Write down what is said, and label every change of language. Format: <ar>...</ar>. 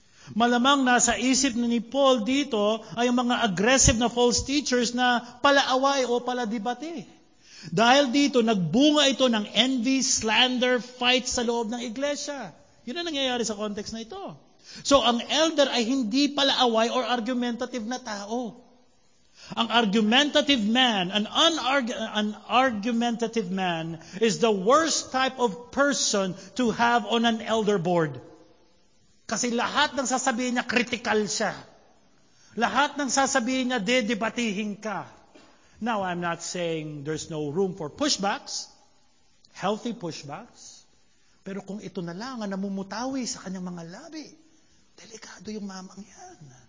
<tl>Malamang nasa isip ni Paul dito ay ang mga aggressive na false teachers na palaaway o paladibate. Dahil dito, nagbunga ito ng envy, slander, fight sa loob ng iglesia. Yun ang nangyayari sa context na ito. So, ang elder ay hindi palaaway or argumentative na tao.</tl> <en>Ang argumentative man, an argumentative man is the worst type of person to have on an elder board.</en> <tl>Kasi lahat ng sasabihin niya, critical siya. Lahat ng sasabihin niya, didebatihin ka. Now, I'm not saying there's no room for pushbacks, healthy pushbacks, pero kung ito na lang ang namumutawi sa kanyang mga labi, delikado yung mamang yan.</tl>